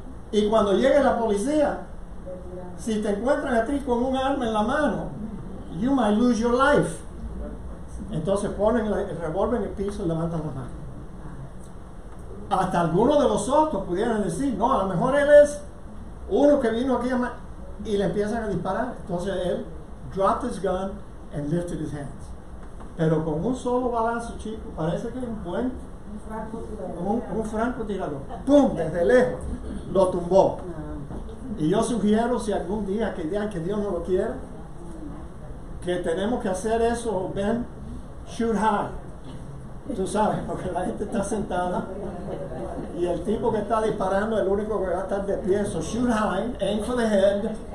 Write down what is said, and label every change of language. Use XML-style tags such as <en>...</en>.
<es>Y cuando llegue la policía, si te encuentran a ti con un arma en la mano, you might lose your life. Entonces ponen el revólver en el piso y levantan las manos. Hasta algunos de los otros pudieran decir, no, a lo mejor él es uno que vino aquí a matar, y le empiezan a disparar.</es> <en>Entonces él dropped his gun and lifted his hands.</en> <es>Pero con un solo balazo, chico, parece que es un buen un francotirador. ¡Pum! Desde lejos lo tumbó. Y yo sugiero, si algún día, que día que Dios no lo quiera, que tenemos que hacer eso, Ben, shoot high. Tú sabes, porque la gente está sentada y el tipo que está disparando es el único que va a estar de pie.</es> <en>So shoot high, aim for the head.</en>